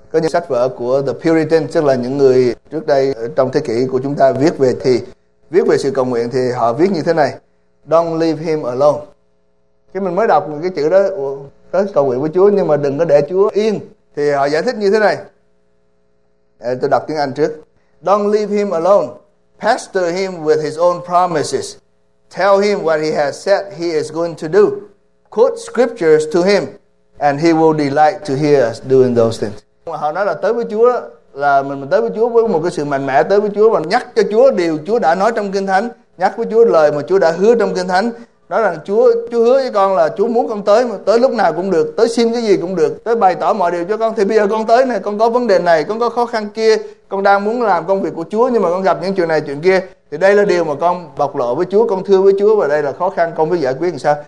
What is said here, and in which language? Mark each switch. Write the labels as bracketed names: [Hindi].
[Vietnamese] Có những sách vở của The Puritan, tức là những người trước đây trong thế kỷ của chúng ta viết về sự cầu nguyện, thì họ viết như thế này: [English] Don't leave him alone. [Vietnamese] Khi mình mới đọc cái chữ đó, tới cầu nguyện với Chúa nhưng mà đừng có để Chúa yên, thì họ giải thích như thế này. Tôi đọc tiếng Anh trước. [English] Don't leave him alone. Pester him with his own promises. Tell him what he has said he is going to do. Quote scriptures to him, and he will delight to hear us doing those things. [Vietnamese] Họ nói là tới với Chúa là mình tới với Chúa với một cái sự mạnh mẽ, tới với Chúa và nhắc cho Chúa điều Chúa đã nói trong Kinh Thánh, nhắc với Chúa lời mà Chúa đã hứa trong Kinh Thánh. Nói rằng Chúa hứa với con là Chúa muốn con tới, mà tới lúc nào cũng được, tới xin cái gì cũng được, tới bày tỏ mọi điều cho con. Thì bây giờ con tới này, con có vấn đề này, con có khó khăn kia, con đang muốn làm công việc của Chúa nhưng mà con gặp những chuyện này chuyện kia, thì đây là điều mà con bộc lộ với Chúa, con thưa với Chúa, và đây là khó khăn con biết giải quyết làm sao.